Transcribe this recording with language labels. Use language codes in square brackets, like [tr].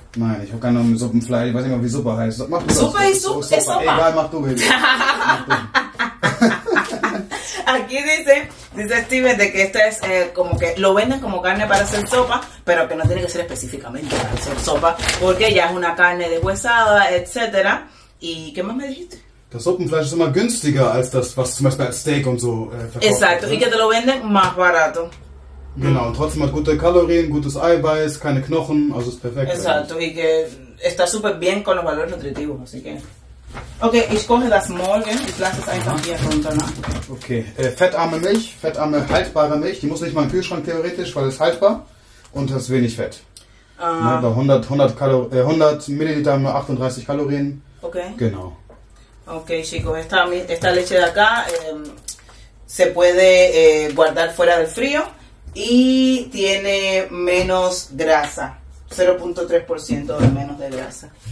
[de] Nein, ich habe keine Ahnung, Suppenfleisch, ich weiß nicht mal, wie Suppe heißt. Mach du Suppe ist Suppe. Egal, mach du bitte. [es] Aquí dice Steven de que esto es como que lo venden como carne para hacer sopa, pero que no tiene que ser específicamente para hacer sopa, porque ya es una carne deshuesada, etcétera. ¿Y qué más me dijiste? [de] Das Suppenfleisch ist immer günstiger als das, was zum Beispiel als Steak und so verkauft wird. [es] Exacto, y que te lo venden más barato. [de] Genau, und trotzdem hat gute Kalorien, gutes Eiweiß, keine Knochen, also ist perfekt. [es] Exacto, y que está super bien con los valores nutritivos, así que... [de] Okay, ich koche das morgen, ich lasse es einfach hier runter, ne? Okay, fettarme Milch, fettarme haltbare Milch, die muss nicht mal im Kühlschrank theoretisch, weil es haltbar und es ist wenig Fett. Ne, bei 100 Milliliter haben wir 38 Kalorien. Okay. Genau. [es] Okay, chicos, esta leche de acá se puede guardar fuera del frío y tiene menos grasa, 0.3% de menos de grasa.